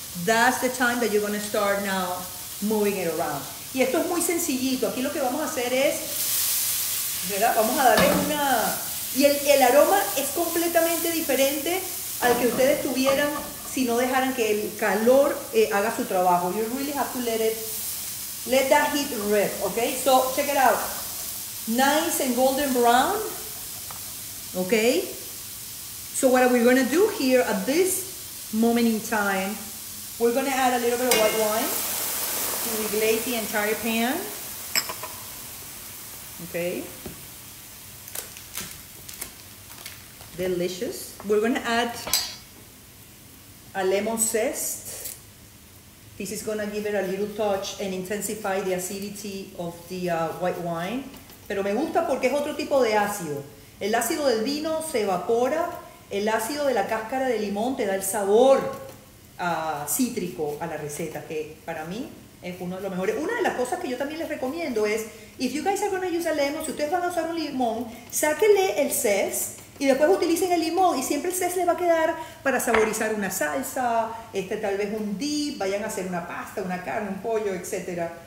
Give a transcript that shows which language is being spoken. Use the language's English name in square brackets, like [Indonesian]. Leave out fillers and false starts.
[English] That's the time that you're going to start now moving it around. [Spanish] Y esto es muy sencillito. Aquí lo que vamos a hacer es, ¿verdad? Vamos a darle una... Y el aroma es completamente diferente al que ustedes tuvieran si no dejaran que el calor haga su trabajo. [English] You really have to let that heat rip, okay? So, check it out. Nice and golden brown, okay? So, what are we going to do here at this moment in time? We're going to add a little bit of white wine to reglaze the entire pan. Okay. Delicious. We're going to add a lemon zest. This is going to give it a little touch and intensify the acidity of the white wine. [Spanish] Pero me gusta porque es otro tipo de ácido. El ácido del vino se evapora. El ácido de la cáscara de limón te da el sabor cítrico a la receta, que para mí es uno de los mejores. Una de las cosas que yo también les recomiendo es, [English] if you guys are going to use a lemon, [Spanish] si ustedes van a usar un limón, sáquenle el zest y después utilicen el limón, y siempre el zest le va a quedar para saborizar una salsa, tal vez un dip, vayan a hacer una pasta, una carne, un pollo, etc.